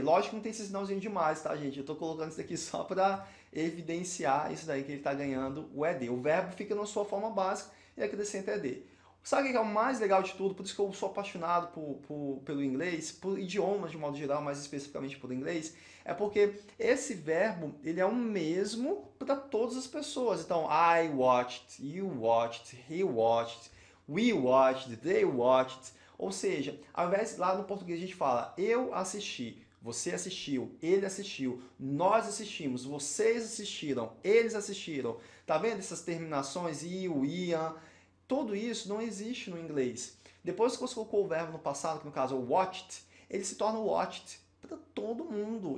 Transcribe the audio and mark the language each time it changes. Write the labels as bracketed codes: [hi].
[pt] Lógico que não tem esse sinalzinho demais, tá, gente? Eu estou colocando isso aqui só para evidenciar isso daí que ele está ganhando o ed. O verbo fica na sua forma básica e acrescenta ed. Sabe o que é o mais legal de tudo? Por isso que eu sou apaixonado pelo inglês, por idiomas de modo geral, mais especificamente por inglês, é porque esse verbo, ele é o mesmo para todas as pessoas. [en] Então, I watched, you watched, he watched, we watched, they watched. [pt] Ou seja, ao invés de lá no português a gente fala, eu assisti, você assistiu, ele assistiu, nós assistimos, vocês assistiram, eles assistiram. Tá vendo essas terminações? You, ian. Tudo isso não existe no inglês. Depois que você colocou o verbo no passado, que no caso é watched, ele se torna watched para todo mundo.